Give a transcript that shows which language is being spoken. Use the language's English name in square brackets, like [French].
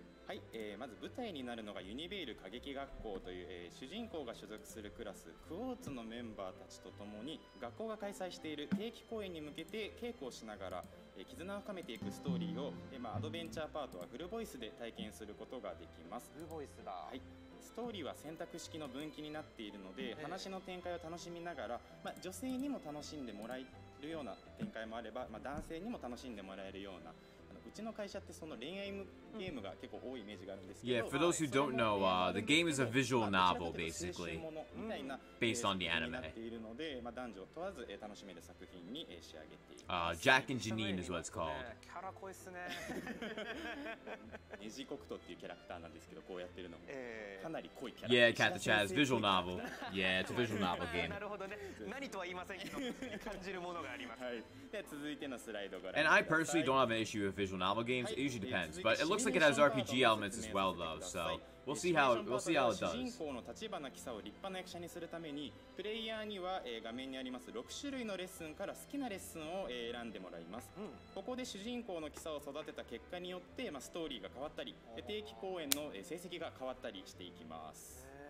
[Japanese] はい、まず舞台になるのがユニベール歌劇学校という、主人公が所属するクラスクォーツのメンバーたちとともに、学校が開催している定期公演に向けて稽古をしながら、絆を深めていくストーリーを、アドベンチャーパートはフルボイスで体験することができます。フルボイスだ。はい、ストーリーは選択式の分岐になっているので、話の展開を楽しみながら、女性にも楽しんでもらえるような展開もあれば、男性にも楽しんでもらえるようなうちの会社ってその恋愛ゲームが結構多いイメージがあるんですけど [English] Yeah, for those who don't know, the game is a visual novel, basically, based on the anime. [Japanese] になっているので、まあ、男女問わず楽しめる作品に仕上げています。 [English] Jack and Janine is what it's called. [Japanese] キャラ濃いっすね。ネジコクトっていうキャラクターなんですけど、こうやってるのもかなり濃いキャラ。 [English] Yeah, Cat the Chaz, visual novel. Yeah, it's a visual novel game. [Japanese] なるほどね。何とは言いませんけど、感じるものがあります。はい。では続いてのスライドご覧ください。 [English] And I personally don't have an issue with visual novel games. It usually depends. But it looks like it has RPG elements as well, though. So we'll see how it does. [Japanese] 主人公の立花キサを立派な役者にするために、プレイヤーには画面にあります6種類のレッスンから好きなレッスンを選んでもらいます。ここで主人公のキサを育てた結果によって、ストーリーが変わったり、定期公演の成績が変わったりしていきます。